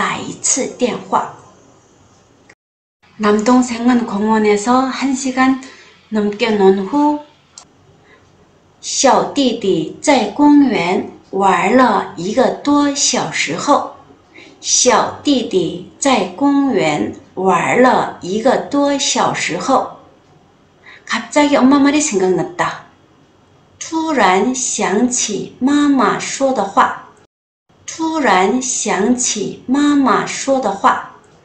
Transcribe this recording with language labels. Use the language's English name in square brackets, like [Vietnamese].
[Chinese] 让他每一个小时给妈妈打一次电话。 [Korean] 남동생은 공원에서 한 시간 넘게 논 후, [Chinese] 小弟弟在公园玩了一个多小时后。小弟弟在公园玩了一个多小时后。 [Korean] 갑자기 엄마 말이 생각났다. [Chinese] 突然想起妈妈说的话。突然想起妈妈说的话。